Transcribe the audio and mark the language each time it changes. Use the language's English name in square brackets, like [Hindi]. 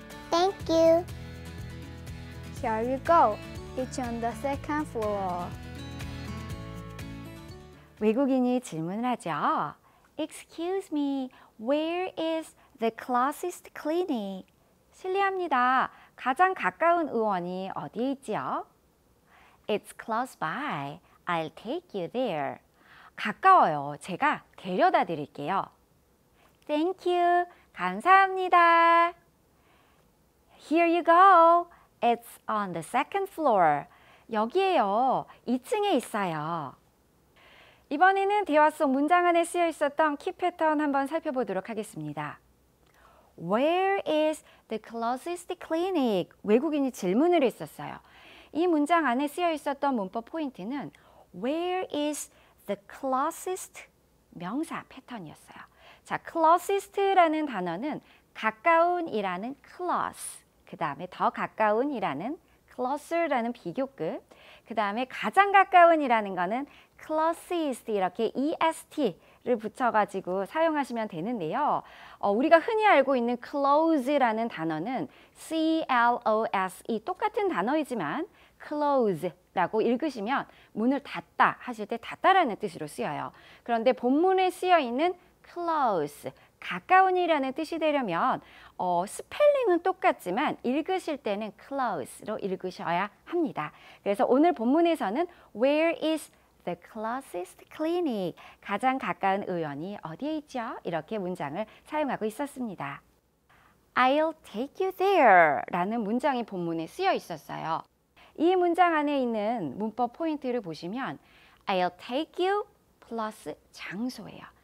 [English] 'Thank you.' 'Here you go. It's on the second floor.' [Korean] 외국인이 질문을 하죠. [English] 'Excuse me, where is the closest clinic?' [Korean] 실례합니다. 가장 가까운 의원이 어디에 있지요? [English] 'It's close by. I'll take you there. [Korean] 가까워요. 제가 데려다 드릴게요. [English] Thank you. [Korean] 감사합니다. [English] Here you go. It's on the second floor. [Korean] 여기에요. 2층에 있어요. 이번에는 대화 속 문장 안에 쓰여 있었던 키 패턴 한번 살펴보도록 하겠습니다. [English] Where is the closest clinic? [Korean] 외국인이 질문을 했었어요. 이 문장 안에 쓰여 있었던 문법 포인트는 [English] Where is the closest [Korean] 명사 패턴이었어요. 자, closest라는 단어는 가까운이라는 close, 그 다음에 더 가까운이라는 closer라는 비교급, 그 다음에 가장 가까운이라는 거는 closest 이렇게 est를 붙여가지고 사용하시면 되는데요. 우리가 흔히 알고 있는 close라는 단어는 close 똑같은 단어이지만 close라고 읽으시면 문을 닫다 하실 때 닫다라는 뜻으로 쓰여요. 그런데 본문에 쓰여 있는 close 가까운이라는 뜻이 되려면 스펠링은 똑같지만 읽으실 때는 close로 읽으셔야 합니다. 그래서 오늘 본문에서는 [English] where is the closest clinic? [Korean] 가장 가까운 의원이 어디에 있죠? 이렇게 문장을 사용하고 있었습니다. [English] I'll take you there [Korean] 라는 문장이 본문에 쓰여 있었어요. 이 문장 안에 있는 문법 포인트를 보시면 [English] I'll take you [Korean] plus 장소예요.